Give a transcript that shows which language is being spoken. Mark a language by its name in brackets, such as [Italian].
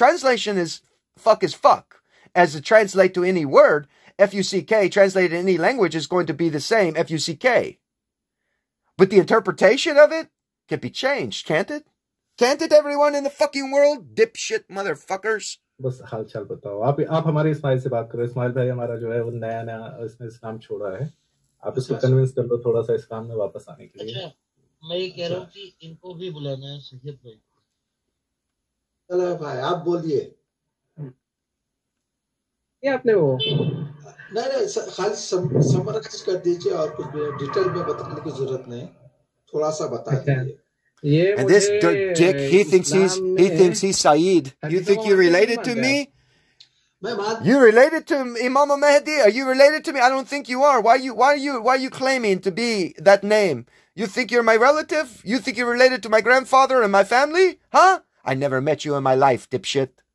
[English] Translation is fuck is fuck. As to translate to any word, F-U-C-K translated in any language is going to be the same F-U-C-K, but the interpretation of it can be changed, can't it? Can't it, everyone in the fucking world, dipshit motherfuckers? [Hindi] बस हाल चाल बताओ. आप हमारे इस्माइल से बात करो. इस्माइल भाई हमारा जो है वो नया नया इसमें इस्लाम छोड़ा है. आप इसको कन्विंस कर लो थोड़ा सा इस काम में वापस आने के लिए. अच्छा, मैं ये कह रहा हूँ कि इनको भी बुलाना है सैयद भाई. चलो भाई आप बोलिए. ये आपने वो नहीं खाली समराइज कर दीजिए और कुछ डिटेल में बताने की जरूरत नहीं, थोड़ा सा बता दीजिए. [English] And this dick, he thinks he's Saeed. You think you're related to me? You related to Imam Mahdi? Are you related to me? I don't think you are. Why are you claiming to be that name? You think you're my relative? You think you're related to my grandfather and my family? Huh? I never met you in my life, dipshit.